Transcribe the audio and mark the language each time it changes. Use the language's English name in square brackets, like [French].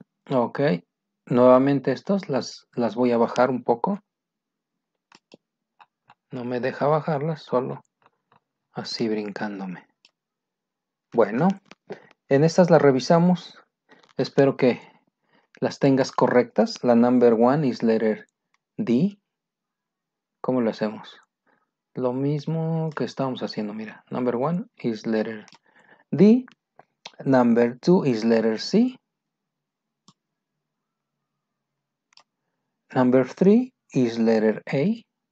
[Spanish] Ok, nuevamente estos las voy a bajar un poco. No me deja bajarlas, solo así brincándome. Bueno, en estas las revisamos. Espero que las tengas correctas. La [English] number one is letter D. [Spanish] ¿Cómo lo hacemos? Lo mismo que estábamos haciendo, mira. [English] Number one is letter D. Number two is letter C. Number 3 is letter A.